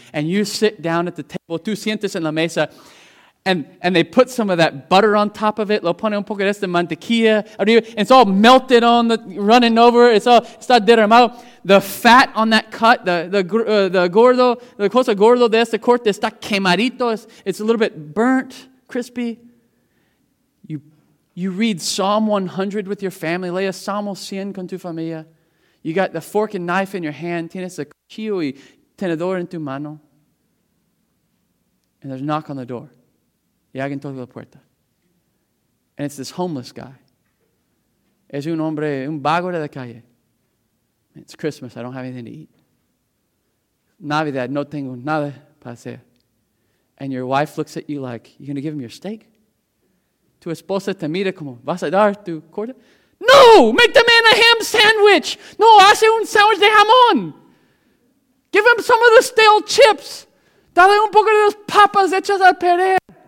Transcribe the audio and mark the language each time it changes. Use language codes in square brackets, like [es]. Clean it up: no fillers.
[en] And you sit down at the table, [es] tú sientes en la mesa, [en] and they put some of that butter on top of it. [es] Lo ponen un poco de esta mantequilla. [en] And it's all melted on the, running over. It's all, [es] está derramado. [en] The fat on that cut, [es] the gordo, the cosa gordo de este corte está quemadito. [en] It's a little bit burnt, crispy. You read Psalm 100 with your family. [es] Lea Salmo 100 con tu familia. [en] You got the fork and knife in your hand. [es] Tienes el cuchillo y tenedor en tu mano. [en] And there's a knock on the door. [es] Y alguien toca la puerta. [en] And it's this homeless guy. [es] Es un hombre, un vago de la calle. [en] It's Christmas. I don't have anything to eat. [es] Navidad. No tengo nada para hacer. [en] And your wife looks at you like, you're going to give him your steak? [es] Tu esposa te mira como, ¿vas a dar tu corte? [en] No, make the man a ham sandwich. [es] No, hace un sandwich de jamón. [en] Give him some of the stale chips. [es] Dale un poco de las papas hechas al pared.